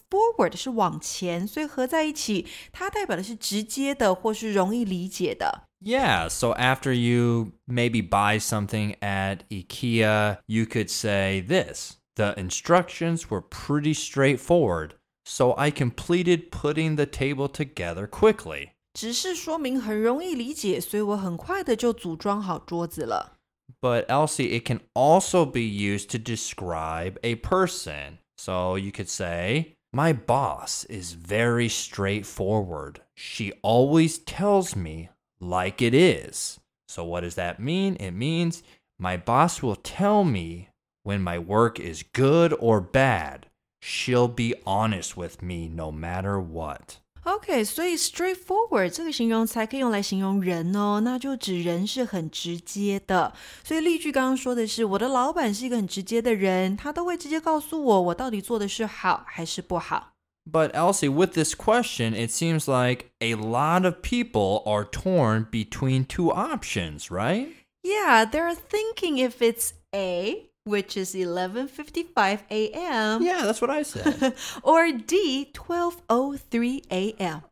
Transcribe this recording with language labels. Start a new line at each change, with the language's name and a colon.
Chinese: Forward 是往前，所以合在一起，它代表的是直接的或是容易理解的。
English: Yeah, so after you maybe buy something at IKEA, you could say this. The instructions were pretty straightforward, so I completed putting the table together quickly.
Chinese: 指示说明很容易理解，所以我很快的就组装好桌子了。
English: But Elsie, it can also be used to describe a person. So you could say... My boss is very straightforward. She always tells me like it is. So what does that mean? It means my boss will tell me when my work is good or bad. She'll be honest with me no matter what. Okay, so straightforward,
Chinese: 这个形容才可以用来形容人哦，那就指人是很直接的。所以例句刚刚说的是，我的老板是一个很直接的人，他都会直接告诉我，我到底做的是好还是不好。
English: But Elsie, with this question, it seems like a lot of people are torn between two options, right? Yeah, they're thinking if it's A, Which is 11:55 a.m. Yeah, that's what I said. Or D, 12:03 a.m.